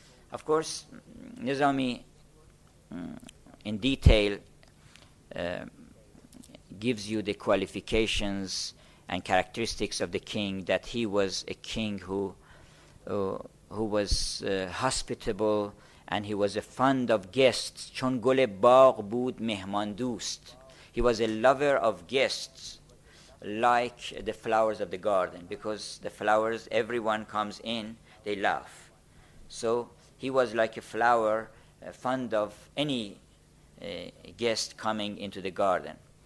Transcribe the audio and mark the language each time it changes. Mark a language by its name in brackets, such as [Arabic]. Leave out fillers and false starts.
[English] Of course, Nizami, in detail, gives you the qualifications and characteristics of the king, that he was a king who was hospitable, and he was a fond of guests. [Persian] چون گل باغ بود مهمان دوست. [English] He was a lover of guests, like the flowers of the garden, because the flowers, everyone comes in, they love. So he was like a flower, fond of any guest coming into the garden.